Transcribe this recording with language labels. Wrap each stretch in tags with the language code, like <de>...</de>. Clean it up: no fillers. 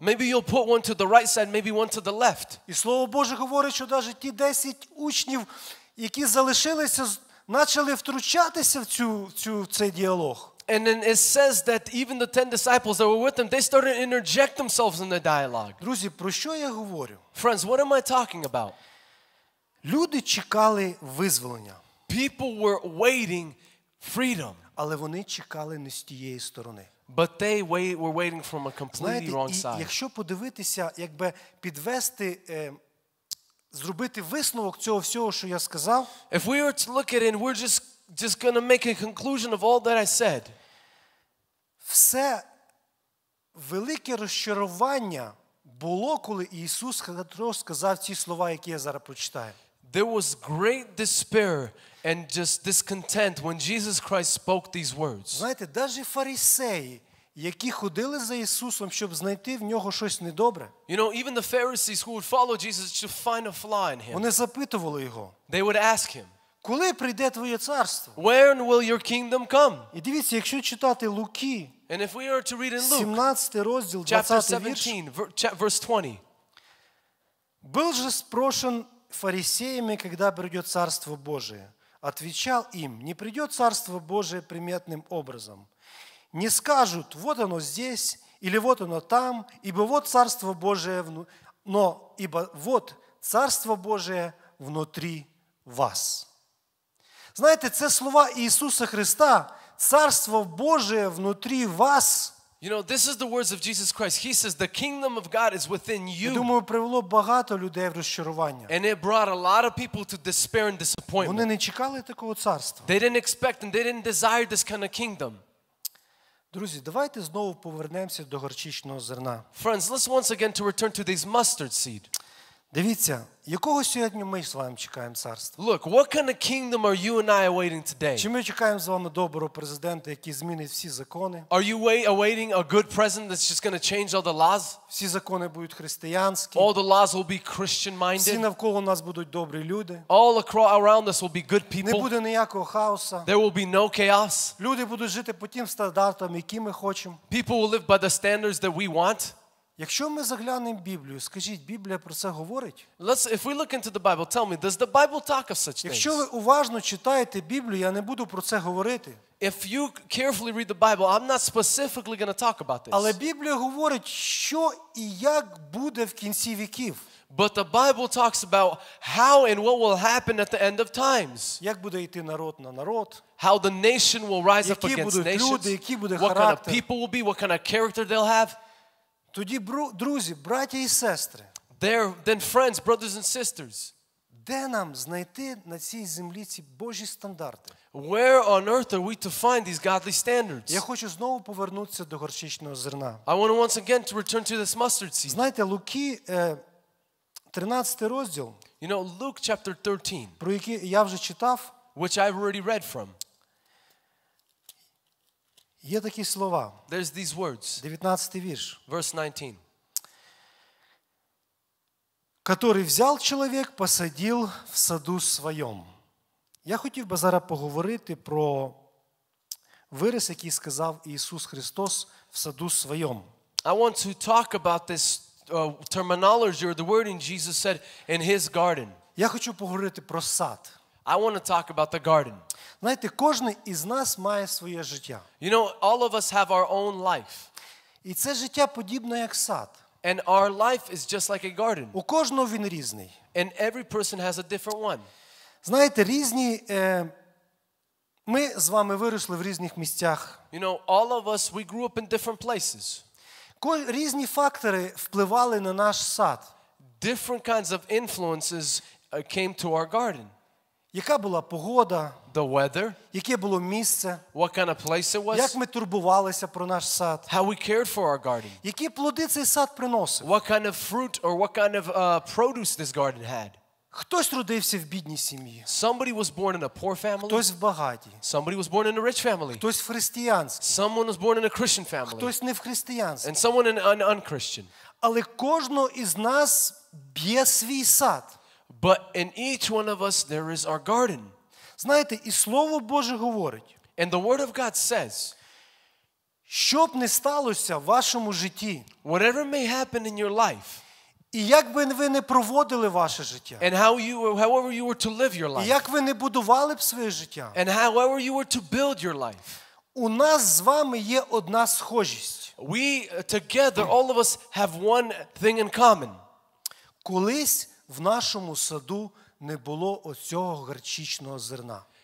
<en>Maybe you'll put one to the right side, maybe one to the left.</en> <uk>І слово Боже говорить, що навіть ті 10 учнів, які залишилися, почали втручатися в цей діалог.</uk> <en>And then it says that even the 10 disciples that were with them, they started to interject themselves in the dialogue.</en> <uk>Друзі, про що я говорю?</uk> <en>Friends, what am I talking about?</en> <uk>Люди чекали визволення.</uk> <en>People were waiting freedom.</en> <uk>Але вони чекали не з тієї сторони.</uk> <en>But they were waiting from a completely</en> <uk>Знаєте,</uk> <en>wrong side.</en> <uk>Якщо подивитися, якби підвести зробити висновок цього всього, що я сказав,</uk> <en>if we were to look at it and we're just going to make a conclusion of all that I said.</en> <uk>Все велике розчарування було, коли Ісус Христос сказав ці слова, які я зараз прочитаю.</uk> <en>There was great despair and just discontent when Jesus Christ spoke these words.</en> <uk>Знаєте, навіть фарисеї, які ходили за Ісусом, щоб знайти в нього щось недобре.</uk> <en>You know, even the Pharisees who would follow Jesus to find a flaw in him.</en> <uk>Вони запитували його.</uk> <en>They would ask him.</en> <uk>Коли прийде твоє царство?</uk> <en>When will your kingdom come?</en> <uk>І дивіться, якщо читати Луки,</uk> <en>and if we are to read in Luke,</en> <uk>17 розділ, 20-й вірш,</uk> <en>verse 20.</en> <ru>Був же спрошен фарисеями, когда придет Царство Божие. Отвечал им, не придет Царство Божие приметным образом. Не скажут, вот оно здесь, или вот оно там, ибо вот Царство Божие, но ибо вот Царство Божие внутри вас. Знаете, це слова Иисуса Христа, Царство Божие внутри вас.</ru> <en>You know, this is the words of Jesus Christ. He says, the kingdom of God is within you.</en> <uk>Я думаю, привело багато людей в розчарування.</uk> <en>And it brought a lot of people to despair and disappointment.</en> <uk>Вони не чекали такого царства.</uk> <en>They didn't expect and they didn't desire this kind of kingdom.</en> <uk>Друзі, давайте знову повернемося до горчичного зерна.</uk> <en>Friends, let's once again to return to these mustard seed.</en> <uk>Дивіться, якого сьогодні ми з вами чекаємо царства?</uk> <en>Look, what kind of kingdom are you and I awaiting today?</en> <uk>Чи ми чекаємо з вами доброго президента, який змінить всі закони?</uk> <en>Are you awaiting a good president that's just going to change all the laws?</en> <uk>Всі закони будуть християнські.</uk> <en>All the laws will be Christian-minded.</en> <uk>Всі навколо нас будуть добрі люди.</uk> <en>All around us will be good people.</en> <uk>Не буде ніякого хаоса.</uk> <en>There will be no chaos.</en> <uk>Люди будуть жити по тим стандартам, які ми хочемо.</uk> <en>People will live by the standards that we want.</en> <uk>Якщо ми заглянемо в Біблію, скажіть, Біблія про це говорить?</uk> <en>Let's if we look into the Bible, tell me, does the Bible talk of such things?</en> <uk>Якщо ви уважно читаєте Біблію, я не буду про це говорити.</uk> <en>If you carefully read the Bible, I'm not specifically going to talk about this.</en> <uk>Але Біблія говорить, що і як буде в кінці віків.</uk> <en>But the Bible talks about how and what will happen at the end of times.</en> <uk>Як буде йти народ на народ?</uk> <en>How the nation will rise</en> <uk>які</uk> <en>up against</en> <uk>будуть</uk> <en>nations.</en> <uk>Люди, які буде</uk> <en>what</en> <uk>характер?</uk> <en>What kind of people will be, what kind of character they'll have?</en> <uk>Тоді, друзі, браття і сестри.</uk> <en>There, then friends, brothers and sisters.</en> <uk>Де нам знайти на цій землі ці Божі стандарти?</uk> <en>Where on earth are we to find these godly standards?</en> <uk>Я хочу знову повернутися до горчичного зерна.</uk> <en>I want to once again to return to this mustard seed.</en> <uk>Знаєте, Луки, 13 розділ.</uk> <en>You know, Luke chapter 13.</en> <uk>Про який я вже читав.</uk> <en>Which I've already read from.</en> <uk>Є такі слова.</uk> <en>There's these words.</en> <uk>19 вірш.</uk> <en>Verse 19.</en> <ru>Который взял человек, посадил в саду своем.</ru> <uk>Я хотів би зараз поговорити про вираз, який сказав Ісус Христос</uk> <ru>в саду своем.</ru> <en>I want to talk about this terminology or the wording Jesus said in his garden.</en> <uk>Я хочу поговорити про сад.</uk> <en>I want to talk about the garden.</en> <uk>Знаєте, кожен із нас має своє життя.</uk> <en>You know, all of us have our own life.</en> <uk>І це життя подібне як сад.</uk> <en>And our life is just like a garden.</en> <uk>У кожного він різний.</uk> <en>And every person has a different one.</en> <uk>Знаєте, різні ми з вами виросли в різних місцях.</uk> <en>You know, all of us we grew up in different places.</en> <uk>Різні фактори впливали на наш сад.</uk> <en>Different kinds of influences came to our garden.</en> <uk>Яка була погода?</uk> <en>The weather?</en> <uk>Яке було місце?</uk> <en>What kind of place it was?</en> <uk>Як ми турбувалися про наш сад?</uk> <en>How we cared for our garden?</en> <uk>Які плоди цей сад приносив?</uk> <en>What kind of fruit or what kind of produce this garden had?</en> <uk>Хтось родився в бідній сім'ї.</uk> <en>Somebody was born in a poor family.</en> <uk>Хтось в багатій.</uk> <en>Somebody was born in a rich family.</en> <uk>Хтось в християнській.</uk> <en>Someone was born in a Christian family.</en> <uk>Хтось не в християнській.</uk> <en>And someone in an un-Christian.</en> <uk>Але кожного із нас б'є свій сад.</uk> <en>But in each one of us there is our garden.</en> <uk>Знаєте, і слово Боже говорить.</uk> <en>And the word of God says.</en> <uk>Що б не сталося в вашому житті.</uk> <en>Whatever may happen in your life.</en> <uk>І як би ви не проводили ваше життя.</uk> <en>And how you, however you were to live your life.</en> <uk>І як ви не будували б своє життя.</uk> <en>And however you were to build your life.</en> <uk>У нас з вами є одна схожість.</uk> <en>We together all of us have one thing in common.</en> <uk>Колись в нашому саду не було оцього горчичного зерна.</uk>